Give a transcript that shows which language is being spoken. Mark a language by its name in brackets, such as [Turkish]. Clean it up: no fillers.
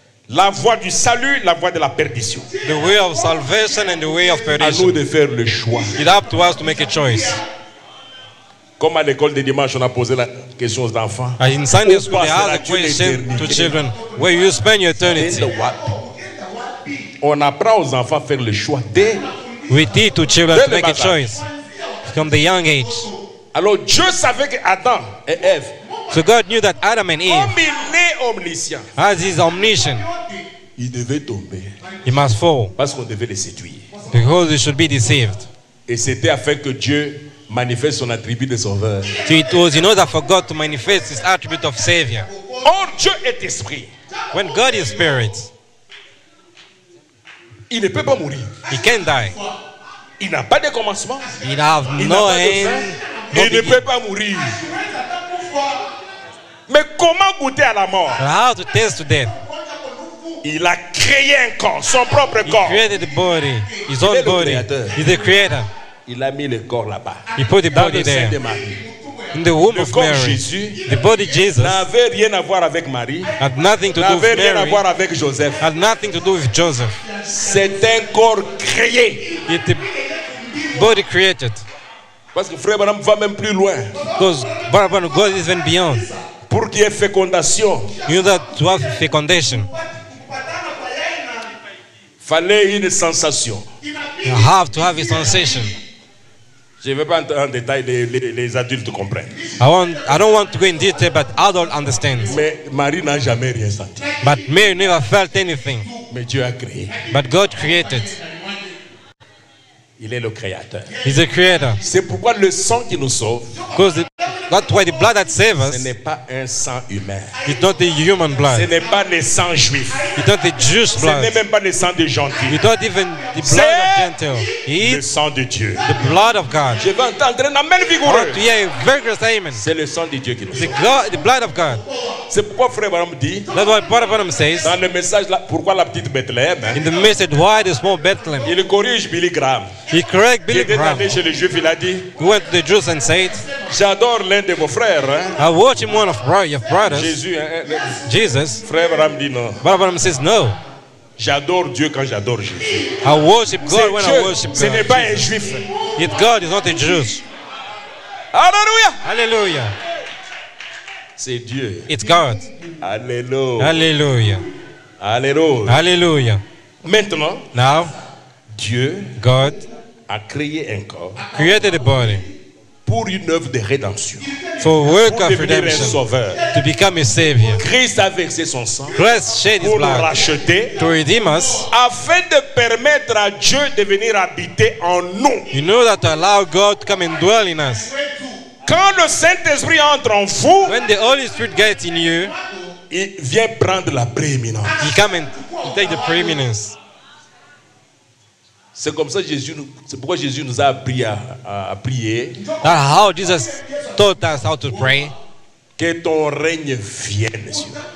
[French] La voie du salut, la voie de la perdition. [English] The way of salvation and the way of perdition. [French] À nous de faire le choix. [English] It's up to us to make a choice. [French] Comme à l'école de dimanche, on a posé la question aux enfants. [English] And in Sunday school, they asked the question to children, where you spend your eternity. [French] On apprend aux enfants à faire le choix dès. [English] We teach to children to make a choice from the young age. [French] Alors Dieu savait que Adam et Ève. [English] So God knew that Adam and Eve, [French] comme il est omniscient, [English] as he's omniscient, [French] il devait tomber. [English] He must fall, [French] parce qu'on devait les séduire. [English] Because they should be deceived. [French] Et c'était afin que Dieu manifeste son attribut de sauveur. [English] So it was in order for God to manifest his attribute of savior. [French] Or Dieu est esprit. [English] When God is spirit, [French] il ne peut pas mourir. [English] He can't die. [French] Il n'a pas de commencement. [English] Il have no end. [French] Il ne peut pas mourir. Mais comment goûter à la mort? [English] How to taste to death? [French] Il a créé un corps, son propre corps. [English] He created the body, his own body. He's the creator. [French] Il a mis le corps là-bas. [English] He put the body there. [French] Dans le sein de Marie. [English] In the womb of Mary. [French] Jésus, [English] the body Jesus. [French] N'avait rien à voir avec Marie. [English] Had nothing to do with Mary. [French] N'avait rien à voir avec Joseph. [English] Had nothing to do with Joseph. [French] C'est un corps créé. [English] The body created. [French] Parce que frère Branham va même plus loin. [English] Because Branham goes even beyond. [French] Pour qu'il y ait fécondation. [English] You know that to have fécondation. [French] Fallait une sensation. [English] You have to have a sensation. [French] Je ne vais pas entrer en détail, les adultes comprennent. [English] I don't want to go in detail, but adults understand. [French] Mais Marie n'a jamais rien senti. [English] But Mary never felt anything. [French] Mais Dieu a créé. [English] But God created. [French] Il est le créateur. [English] He's the creator. [French] C'est pourquoi le sang qui nous sauve. [English] Because that's why the blood that saves us. [French] Ce n'est pas un sang humain. [English] It's not the human blood. [French] Ce n'est pas le sang juif. [English] It's not the Jewish blood. [French] Ce n'est même pas le sang des gentils. [English] It's not even the blood of gentiles. [French] Le sang de Dieu. [English] The blood of God. [French] Je veux entendre un amen vigoureux. [English] To hear a vigorous amen. [French] C'est le sang de Dieu qui nous sauve. [English] The blood of God. [French] C'est pourquoi frère Branham dit. [English] That's why Brother Branham says. [French] Dans le message, pourquoi la petite Bethléem? [English] In the message, why the small Bethlehem? [French] Il corrige Billy Graham. [English] He corrected Billy Graham. [French] Il était chez les Juifs, il a dit. [English] Who went to the Jews and said. [French] J'adore l'un de vos frères. Hein? [English] I watch him one of your brothers. [French] Jésus, [English] Jesus. [French] Frère Branham dit non. [English] Brother Branham says no. [French] J'adore Dieu quand j'adore Jésus. [English] I worship God [French] c'est [English] when [French] Dieu, [English] I worship God. [French] Ce n'est pas un Juif. [English] Yet God is not a Jew. [French] Alléluia. [English] Alléluia. [French] C'est Dieu. [English] It's God. [French] Alléluia. [English] Alléluia. [French] Alléluia. [English] Alléluia. [French] Maintenant. [English] Now. [French] Dieu. [English] God. [French] A créé un corps. [English] Created a body. [French] Pour une œuvre de rédemption. [English] For work [French] pour [English] of redemption. [French] Un sauveur. [English] To become a savior. [French] Christ a versé son sang. [English] Christ shed his blood. [French] Pour racheter. [English] To redeem us. [French] Afin de permettre à Dieu de venir habiter en nous. [English] You know that to allow God to come and dwell in us. [French] Quand le Saint-Esprit entre en vous, [English] when the Holy Spirit gets in you, [French] il vient prendre la prééminence. [English] He come and take the preeminence. [French] C'est comme ça Jésus, c'est pourquoi Jésus nous a appris à prier. [English] That's how Jesus taught us how to pray. [French] Que ton règne vienne, Dieu.